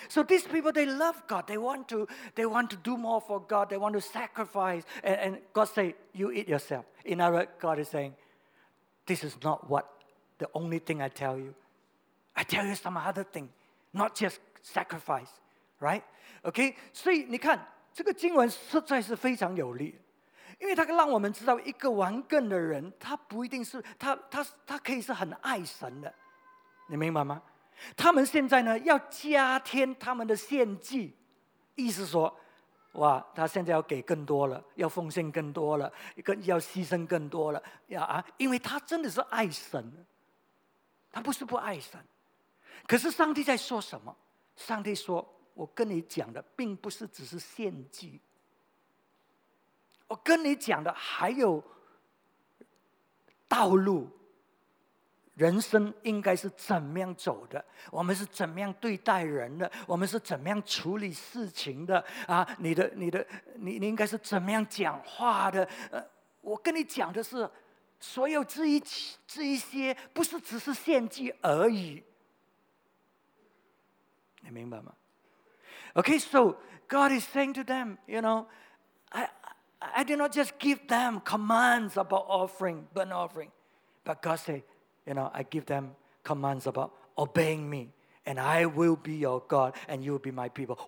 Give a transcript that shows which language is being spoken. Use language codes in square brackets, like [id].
[en] So these people, they love God. They want to do more for God. They want to sacrifice. And God say, you eat yourself. In other words, God is saying, this is not what the only thing I tell you. I tell you some other thing, not just sacrifice, right? [zh] Okay, 所以你看,这个经文实在是非常有力。因为他让我们知道一个顽梗的人,他不一定是,他可以是很爱神的。你明白吗？他们现在呢要加添他们的献祭，意思说，哇，他现在要给更多了，要奉献更多了，要牺牲更多了，因为他真的是爱神，他不是不爱神。可是上帝在说什么？上帝说，我跟你讲的并不是只是献祭，我跟你讲的还有道路。人生应该是怎么样走的，我们是怎么样对待人的，我们是怎么样处理事情的啊？你应该是怎么样讲话的我跟你讲的是所有这一些不是只是献祭而已，你明白吗？ [en] Okay, so God is saying to them, you know, I did not just give them commands about offering, burnt offering, but God said,You know, I give them commands about obeying me, and I will be your God, and you will be my people.